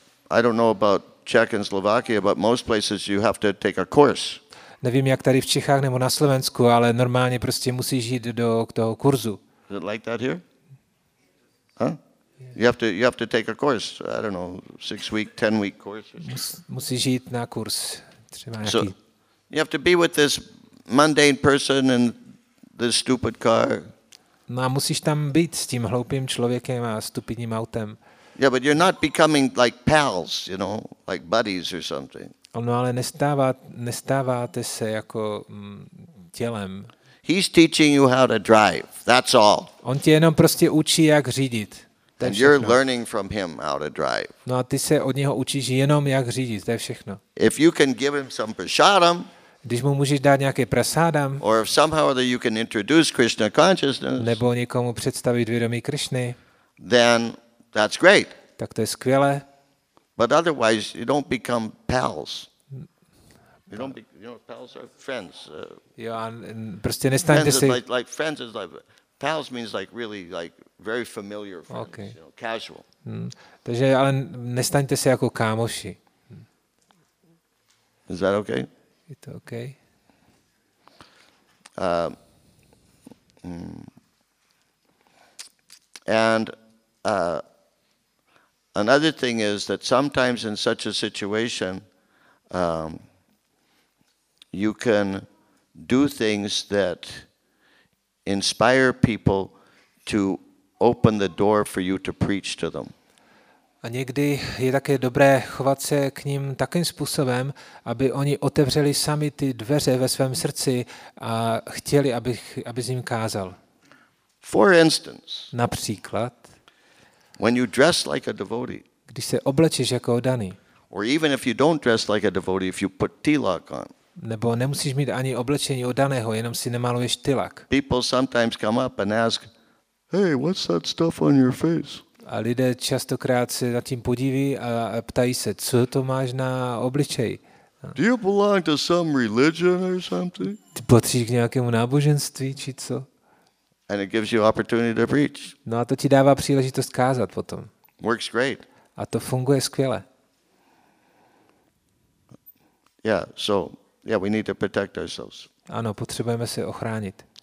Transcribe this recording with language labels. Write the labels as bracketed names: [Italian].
[English] I don't know about Czech and Slovakia, but most places you have to take a course. [Czech] Nevím, jak tady v Čechách nebo na Slovensku, ale normálně prostě musíš jít do toho kurzu. [English] Is it like that here? Huh? Yeah. You have to take a course. I don't know, 6-week, 10-week course. [Czech] Musíš jít na kurz. Třeba nějaký. [English] So you have to be with this mundane person in this stupid car. [Czech] No a musíš tam být s tím hloupým člověkem a stupidním autem. [English] Yeah, but you're not becoming like pals, you know, like buddies or something. [Czech] No, ale nestáváte se jako tělem. [English] He's teaching you how to drive. That's all. [Czech] On tě jenom prostě učí, jak řídit. [English] And you're learning from him how to drive. [Czech] No, a ty se od něho učíš jenom, jak řídit. To je všechno. [English] If you can give him some prasadam. [Czech] Když mu můžeš dát nějaké prasadam. [English] Or if somehow or other you can introduce Krishna consciousness. [Czech] Nebo někomu představit vědomí Krishny. [English] Then that's great. [Czech] Tak to je skvělé. [English] But otherwise, you don't become pals. You don't be, you know, pals are friends. [Czech] Prostě nestaňte si. [English] Like friends is like pals means like really like very familiar friends. Okay. You know, casual. [Czech] Takže ale nestaňte se jako kámoši. [English] Is that okay? [Czech] Je to okay. [English] Another thing is that sometimes in such a situation you can do things that inspire people to open the door for you to preach to them. [Czech] A někdy je také dobré chovat se k ním takým způsobem, aby oni otevřeli sami ty dveře ve svém srdci a chtěli, aby z ním kázal. [English] For instance, [Czech] například, [English] when you dress like a devotee, [Czech] když se oblečeš jako oddaný, [English] or even if you don't dress like a devotee, if you put tilak on, [Czech] nebo nemusíš mít ani oblečení oddaného, jenom si nemaluješ tilak. [English] People sometimes come up and ask, hey, what's that stuff on your face? [Czech] A lidé častokrát se nad tím podíví a ptají se, co to máš na obličeji? [English] Do you belong to some religion or something? [Czech] Ty patříš k nějakému náboženství či co? [English] And it gives you opportunity to preach. [Czech] No a to ti dává příležitost kázat potom. [English] Works great. [Czech] A to funguje skvěle. [English] We need to protect ourselves. [Czech] Ano, potřebujeme se ochránit.